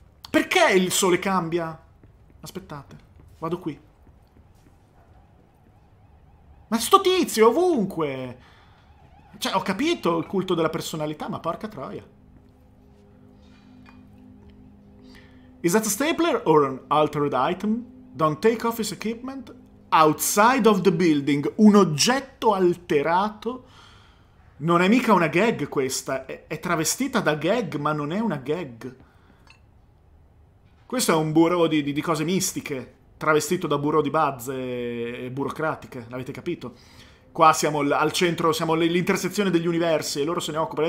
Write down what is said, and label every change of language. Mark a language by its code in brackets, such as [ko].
[it] perché il sole cambia? Aspettate, vado qui. Ma sto tizio è ovunque! Cioè, ho capito il culto della personalità, ma porca troia. [en] Is that a stapler or an altered item? Don't take office equipment outside of the building. [it] Un oggetto alterato? Non è mica una gag questa. È travestita da gag, ma non è una gag. Questo è un bureau di cose mistiche, travestito da bureau di bazze e burocratiche, l'avete capito? Qua siamo al centro, siamo l'intersezione degli universi e loro se ne occupano.